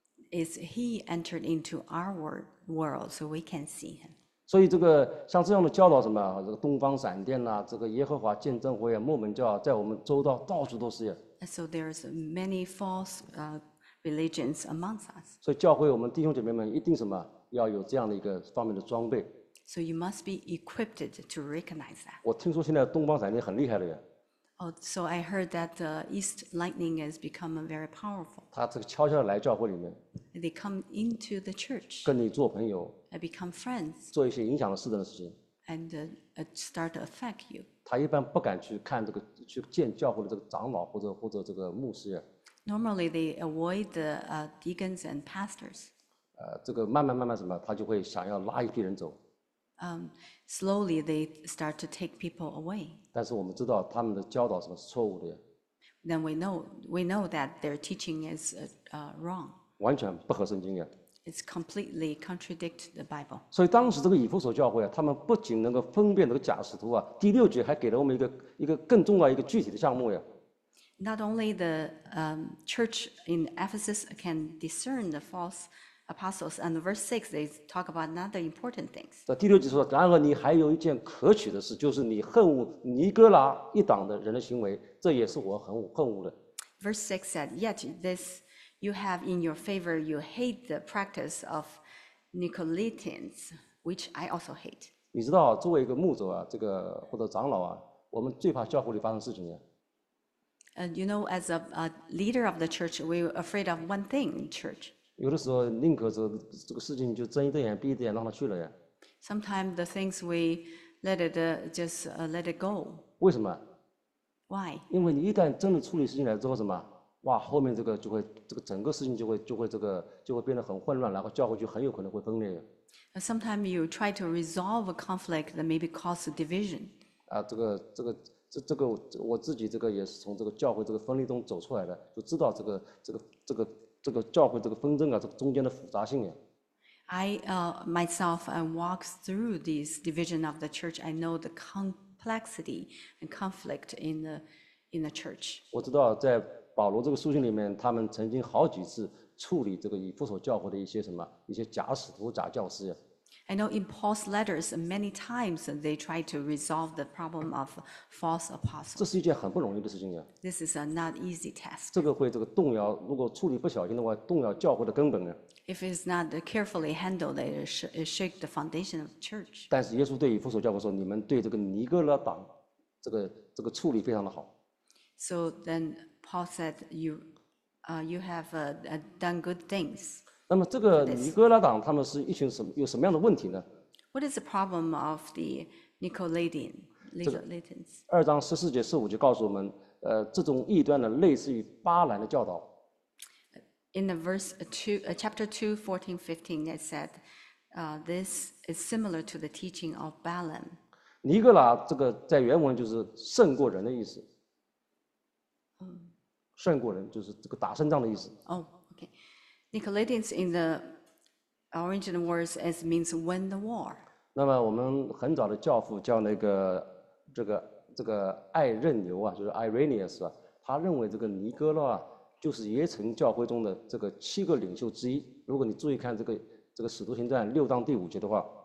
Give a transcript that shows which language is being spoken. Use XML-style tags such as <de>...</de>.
<en>Is He entered into our world so we can see Him?</en> <zh>所以这个像这样的教导什么，这个东方闪电呐、啊，这个耶和华见证会啊，摩门教、啊，在我们周遭到处都是。</zh> <en>So there's many false religions amongst us.</en> <zh>所以教会我们弟兄姐妹们一定什么要有这样的一个方面的装备。</zh> <en>So you must be equipped to recognize that.</en> <zh>我听说现在东方闪电很厉害的呀。</zh> <en>Oh, so I heard that the East lightning has become very powerful.</en> <zh>他这个悄悄地来教会里面。</zh> <en>They come into the church.</en> <zh>跟你做朋友。</zh> <en>I become friends.</en> <zh>做一些影响了世人的事情。</zh> <en>And start to affect you.</en> <zh>他一般不敢去看这个，去见教会的这个长老或者这个牧师。</zh> <en>Normally they avoid the deacons and pastors.</en> <zh>这个慢慢什么，他就会想要拉一批人走。</zh> <en>Slowly they start to take people away.</en> <zh>但是我们知道他们的教导什么是错误的。</zh> <en>Then we know that their teaching is wrong.</en> <zh>完全不合圣经的。</zh> <en>It's completely contradict the Bible.</en> <zh>所以当时这个以弗所教会啊，他们不仅能够分辨这个假使徒啊，第六节还给了我们一个更重要一个具体的项目呀。</zh> <en>Not only the church in Ephesus can discern the false apostles, and verse 6, they talk about another important things.</en> <zh>第六节说，然而你还有一件可取的事，就是你恨恶尼哥拉一党的人的行为，这也是我很恨恶的。</zh> <en>Verse 6 said, yet this. You have in your favor, you hate the practice of Nicolaitans, which I also hate.</en> <zh>你知道，作为一个牧者啊，这个或者长老啊，我们最怕教会里发生事情呀。</zh> <en>And you know, as a leader of the church, we're afraid of one thing, church.</en> <zh>有的时候宁可这个事情就睁一只眼闭一只眼让他去了呀。</zh> <en>Sometimes the things we let it just let it go.</en> <zh>为什么</zh> <en>？Why？</en> <zh>因为你一旦真的处理事情来之后，什么？哇，后面这个就会，这个整个事情就会这个就会变得很混乱，然后教会就很有可能会分裂。</zh> <en>Sometimes you try to resolve a conflict that maybe cause a division.</en> <zh>这个这个我自己这个也是从这个教会这个分离中走出来的，就知道这个教会这个纷争啊，这个中间的复杂性呀。</zh> <en>I myself walk through this division of the church. I know the complexity and conflict in the church.</en> <zh>我知道在保罗这个书信里面，他们曾经好几次处理这个以弗所教会的一些什么一些假使徒、假教师。</zh> <en>I know in Paul's letters, many times they try to resolve the problem of false apostles.</en> <zh>这是一件很不容易的事情呀。</zh> <en>This is a not easy task.</en> <zh>这个会这个动摇，如果处理不小心的话，动摇教会的根本呢。</zh> <en>If it's not carefully handled, it shakes the foundation of church.</en> <zh>但是耶稣对以弗所教会说：“你们对这个尼哥拉党，这个处理非常的好。”</zh> <en>So then Paul said, "You have done good things."</en> <zh>那么这个尼哥拉党他们是一群什么有什么样的问题呢</zh> <en>？What is the problem of the Nicolaitans?</en> <zh>二章十四节十五节告诉我们，这种异端呢，类似于巴兰的教导。</zh> <en>In the verse chapter 2:14-15, it said, "This is similar to the teaching of Balaam."</en> <zh>尼哥拉这个在原文就是胜过人的意思。胜过人就是这个打胜仗的意思。</zh> <en>Okay. Nicolaitans in the original words as means win the war.</en> <zh>那么我们很早的教父叫那个这个爱任牛啊，就是 Irenaeus 啊，他认为这个尼哥拉。就是耶城教会中的这个七个领袖之一。如果你注意看这个《使徒行传》六章第五节的话，</zh>